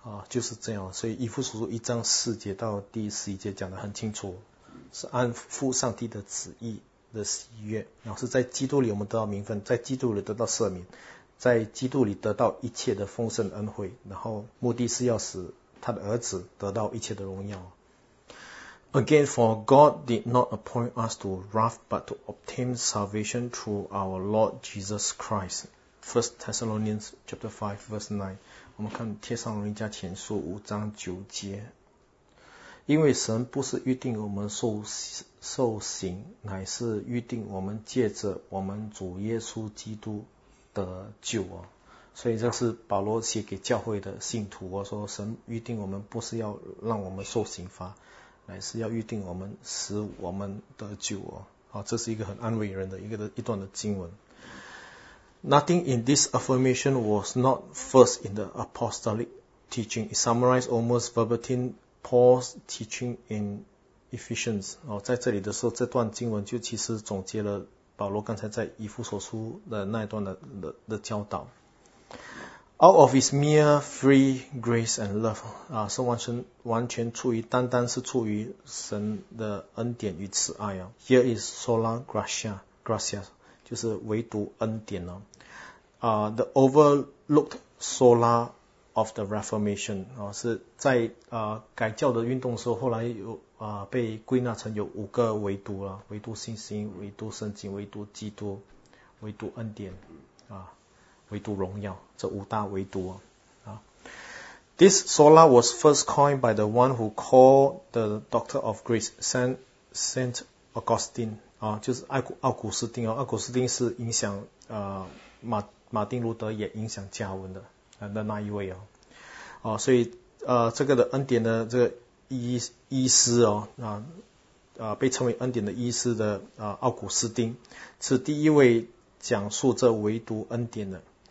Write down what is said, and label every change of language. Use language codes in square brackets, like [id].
[zh] 就是这样。所以以弗所书一章四节到第十一节讲得很清楚，是按父上帝的旨意的喜悦，然后是在基督里我们得到名分，在基督里得到赦免，在基督里得到一切的丰盛恩惠，然后目的是要使他的儿子得到一切的荣耀。 [en] Again, for God did not appoint us to wrath, but to obtain salvation through our Lord Jesus Christ. 1 Thessalonians chapter 5, verse 9. [zh] 我们看帖撒罗尼迦前书五章九节。因为神不是预定我们受刑，乃是预定我们借着我们主耶稣基督得救。所以这是保罗写给教会的信徒，说神预定我们不是要让我们受刑罚，乃是要预定我们使我们得救，这是一个很安慰人的一段的经文。 [en] Nothing in this affirmation was not first in the apostolic teaching. It summarized almost verbatim Paul's teaching in Ephesians [zh] , 在这里的时候，这段经文就其实总结了保罗刚才在以弗所书的那一段 的教导。 [en] Out of his mere free grace and love [zh] , 是完全出于单单是出于神的恩典与慈爱。 [en] Here is sola gracia [zh] 就是唯独恩典。 [en] The overlooked sola of the Reformation [zh] , 是在，改教的运动的时候，后来有，被归纳成有五个唯独，唯独信心，唯独圣经，唯独基督，唯独恩典，唯独荣耀，这五大唯独。 [en] This sola was first coined by the one who called the Doctor of Grace, Saint Augustine , [zh] 就是奥古斯丁。奥古斯丁是影响，马丁路德，也影响加文的的那一位。所以这个的恩典的这个医师，被称为恩典的医师的奥古斯丁，是第一位讲述这唯独恩典的。